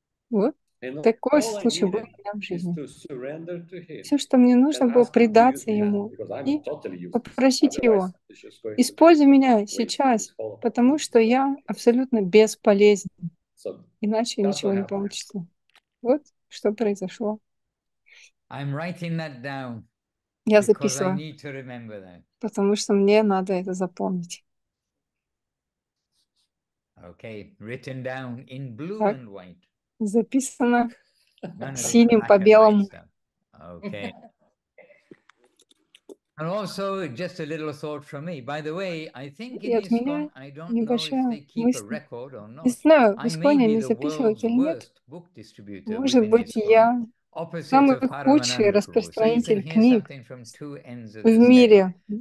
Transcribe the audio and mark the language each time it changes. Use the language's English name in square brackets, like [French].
[Russian] Вот такой случай был у меня в жизни. Все, что мне нужно было, предаться ему и попросить его: используй меня сейчас, потому что я абсолютно бесполезен, иначе ничего не получится. Вот что произошло. [English] I'm writing that down. [Russian] Я записываю, [English] because I need to remember that. [Russian] Потому что мне надо это запомнить. [English] Okay, written down in blue [Russian] так. [English] And white. [Russian] Записано синим по белому. [English] Okay. And also just a little thought from me. By the way, I think it is gone. I don't know if they keep a record or not. No, [Russian] в Испании не записывают или нет. [English] Book distributor. [Russian] Может быть, я самый худший распространитель книг в мире.